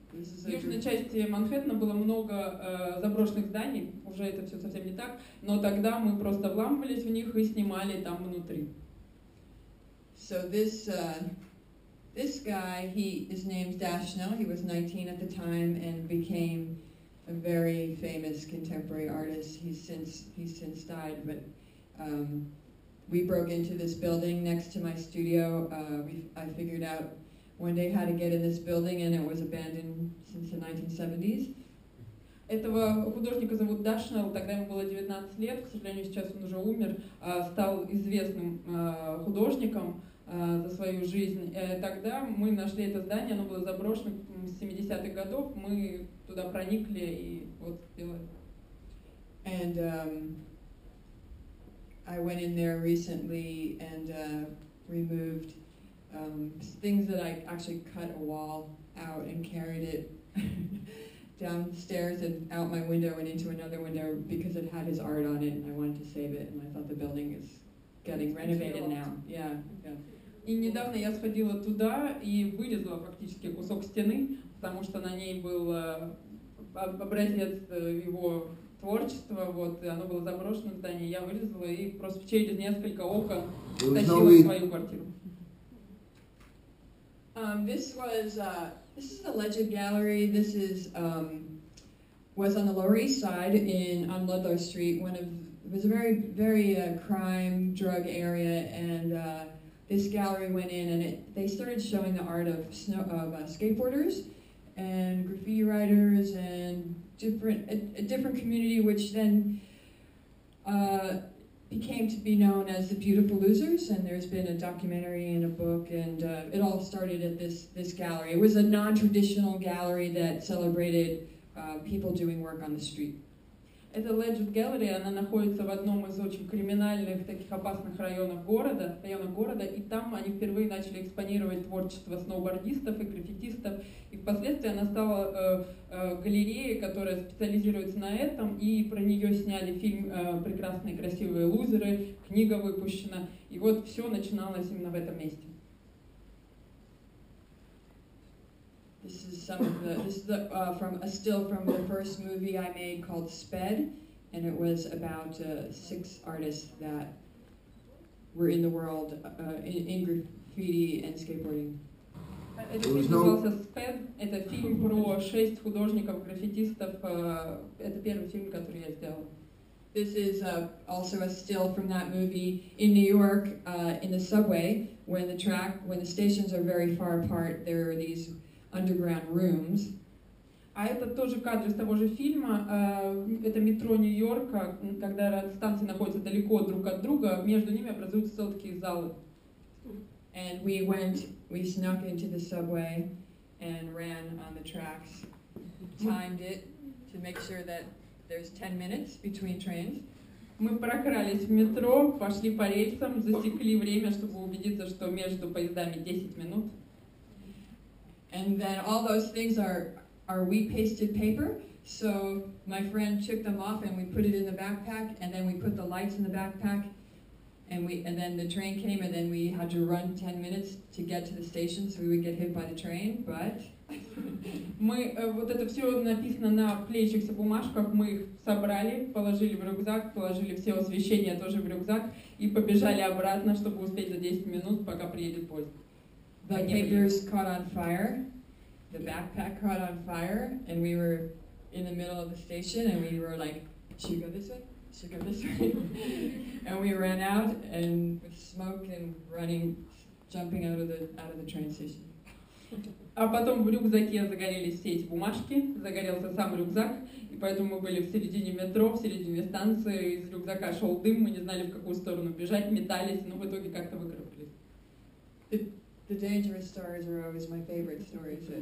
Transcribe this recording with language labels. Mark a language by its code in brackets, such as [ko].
[ru] В южной части Манхэттена было много заброшенных зданий, уже это все совсем не так, но тогда мы просто вламывались в них и снимали там внутри. [en] So this this guy, his name's Dashnell, he was 19 at the time and became a very famous contemporary artist. He's since died, but we broke into this building next to my studio. I figured out one day how to get in this building, and it was abandoned since the 1970s. [ru] Этого художника зовут Дашнелл, тогда ему было 19 лет, к сожалению, сейчас он уже умер, стал известным художником за свою жизнь. Тогда мы нашли это здание, оно было заброшено с 70-х годов, мы туда проникли и вот сделали. [en] And I went in there recently and removed things that I actually cut a wall out and carried it downstairs and out my window and into another window because it had his art on it and I wanted to save it and I thought the building is getting renovated now. Yeah. [ru] И недавно я сходила туда и вырезала фактически кусок стены, потому что на ней был образец его творчества, вот, и оно было заброшено в здании. Я вырезала и просто через несколько окон тащила в свою квартиру. [en] This is the Legend Gallery. This is was on the Lower East Side on Ludlow Street. It was a very, very crime drug area, and this gallery went in and they started showing the art of skateboarders and graffiti writers and a different community, which then became to be known as the Beautiful Losers, and there's been a documentary and a book, and it all started at this gallery. It was a non-traditional gallery that celebrated people doing work on the street. [ru] Это Legend Gallery, она находится в одном из очень криминальных, таких опасных районов города, и там они впервые начали экспонировать творчество сноубордистов и граффитистов, и впоследствии она стала галереей, которая специализируется на этом, и про нее сняли фильм «Прекрасные красивые лузеры», книга выпущена, и вот все начиналось именно в этом месте. [en] This is some of the. This is the from the first movie I made called Sped, and it was about six artists that were in the world in graffiti and skateboarding. Sped. [ru] Это фильм про шесть художников граффитистов. Это первый фильм, который я сделал. [en] This is also a still from that movie in New York in the subway when the stations are very far apart. There are these underground rooms. [ru] А это тоже кадр из того же фильма. Это метро Нью-Йорка, когда станции находятся далеко друг от друга, между ними образуются целые залы. [en] And we snuck into the subway and ran on the tracks, timed it to make sure that there's 10 minutes between trains. [ru] Мы прокрались в метро, пошли по рельсам, засекли время, чтобы убедиться, что между поездами 10 минут. [en] And then all those things are wheat pasted paper. So my friend took them off and we put it in the backpack, and then we put the lights in the backpack, and then the train came, and then we had to run 10 minutes to get to the station so we would get hit by the train, but [ru] мы вот это все написано на клеящихся бумажках, мы их собрали, положили в рюкзак, положили все освещение тоже в рюкзак и побежали обратно, чтобы успеть за 10 минут, пока приедет поезд. [en] The papers caught on fire, the backpack caught on fire, and we were in the middle of the station, and we were like, should we go this way? Should we go this way? And we ran out, and with smoke and running, jumping out of the train station. [ru] А потом в рюкзаке загорелись все эти бумажки, загорелся сам рюкзак, и поэтому мы были в середине метро, в середине станции, из рюкзака шел дым, мы не знали, в какую сторону бежать, метались, но в итоге как-то выкарабкались. [en] The dangerous stories are always my favorite stories.